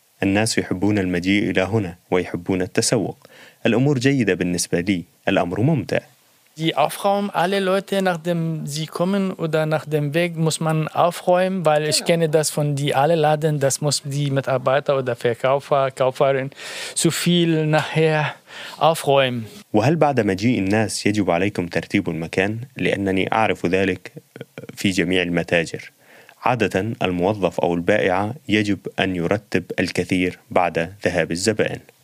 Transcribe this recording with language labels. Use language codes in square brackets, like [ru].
[ar] الناس يحبون المجيء إلى هنا ويحبون التسوق. الأمور جيدة بالنسبة لي. الأمر ممتع. [de] Die Aufräumung, alle Leute, nachdem sie kommen oder nach dem Weg, muss man aufräumen, weil ich kenne das von die alle Laden, das muss die Mitarbeiter oder Verkäufer, Kauferin zu viel nachher aufräumen. [ar] وهل بعد مجيء الناس يجب عليكم ترتيب المكان؟ لأنني أعرف ذلك في جميع المتاجر. عادة الموظف أو البائعة يجب أن يرتب الكثير بعد ذهاب الزبائن.